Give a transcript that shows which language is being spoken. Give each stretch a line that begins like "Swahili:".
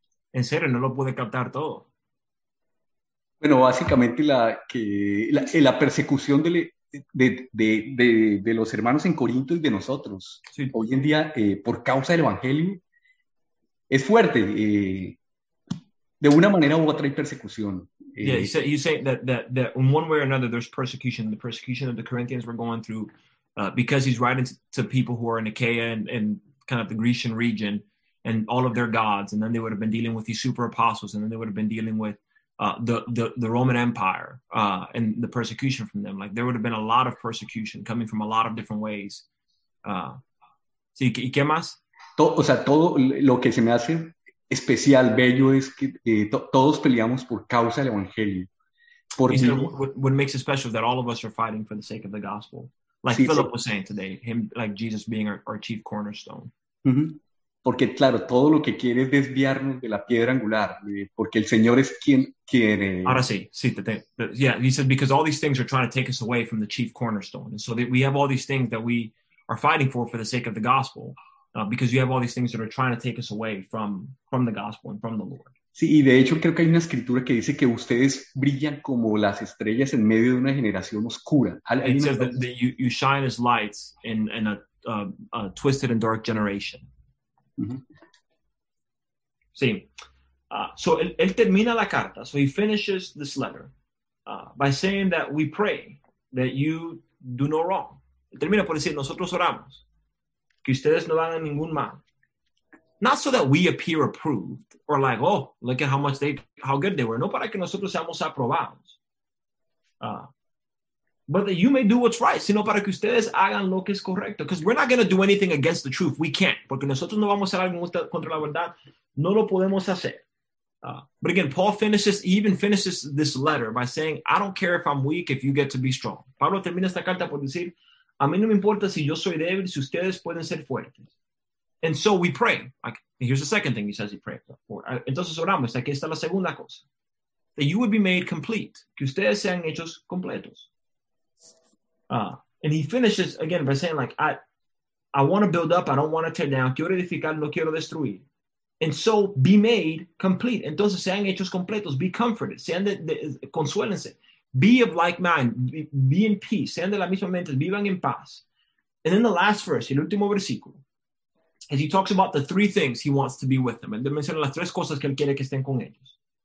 Spanish: En serio, no lo pude captar todo. Bueno, básicamente la persecución de los hermanos en Corinto y de nosotros, sí, hoy en día, por causa del evangelio, es fuerte. De una manera u otra hay persecución.
English: Yeah, you say that in one way or another there's persecution. The persecution of the Corinthians were going through, because he's writing to people who are in Achaia and kind of the Grecian region and all of their gods, and then they would have been dealing with these super apostles, and then they would have been dealing with the Roman Empire and the persecution from them. Like, there would have been a lot of persecution coming from a lot of different ways.
Spanish: ¿Sí? ¿Y qué más? O sea, todo lo que se me hace especial, bello, es que todos peleamos por causa del evangelio.
English: What makes it special is that all of us are fighting for the sake of the gospel. Like,
Spanish: sí,
English: Philip was saying today, him, like Jesus being our chief cornerstone. Mm-hmm.
Spanish: Porque claro, todo lo que quiere es desviarnos de la piedra angular, porque el Señor es quien Ahora sí, sí,
English: he said, because all these things are trying to take us away from the chief cornerstone. And so that we have all these things that we are fighting for the sake of the gospel. Because you have all these things that are trying to take us away from the gospel and from the Lord.
Spanish: Sí, y de hecho creo que hay una escritura que dice que ustedes brillan como las estrellas en medio de una generación oscura.
English: It says that you shine as lights in a twisted and dark generation. Mm-hmm.
Spanish: Sí. So él termina la carta.
English: So he finishes this letter by saying that we pray that you do no wrong.
Spanish: Él termina por decir, nosotros oramos que ustedes no hagan ningún mal.
English: Not so that we appear approved, or like, oh, look at how good they were.
Spanish: No para que nosotros seamos aprobados.
English: But that you may do what's right,
Spanish: sino para que ustedes hagan lo que es correcto.
English: Because we're not going to do anything against the truth. We can't.
Spanish: Porque nosotros no vamos a hacer algo contra la verdad. No lo podemos hacer.
English: But again, Paul finishes this letter by saying, I don't care if I'm weak, if you get to be strong.
Spanish: Pablo termina esta carta por decir, a mí no me importa si yo soy débil, si ustedes pueden ser fuertes.
English: And so we pray. Here's the second thing he says he prays for.
Spanish: Entonces oramos. Aquí está la segunda cosa.
English: That you would be made complete.
Spanish: Que ustedes sean hechos completos.
English: And he finishes again by saying, like, I want to build up. I don't want to tear down.
Spanish: Quiero edificar. No quiero destruir.
English: And so be made complete.
Spanish: Entonces sean hechos completos.
English: Be comforted.
Spanish: Sean de consuélense.
English: Be of like mind, be in peace,
Spanish: sean de la misma mente, vivan en paz.
English: And then the last verse,
Spanish: el último versículo,
English: as he talks about the three things he wants to be with them.
Spanish: Él menciona las tres cosas que él quiere que estén con ellos.